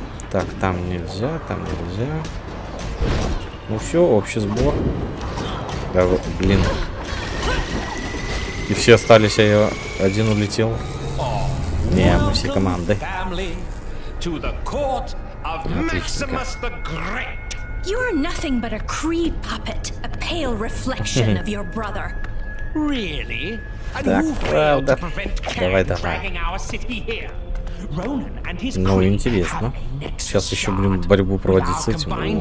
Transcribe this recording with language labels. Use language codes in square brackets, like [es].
[ru] Так, там нельзя, там нельзя. Ну все, общий сбор. Да, блин. И все остались, а я один улетел. Не, мы все команды. [en] You're nothing but a Kree puppet, a pale reflection of your brother. Really? And who failed to prevent our city here? [ru] Ну, интересно. Сейчас еще будем борьбу проводить с этим.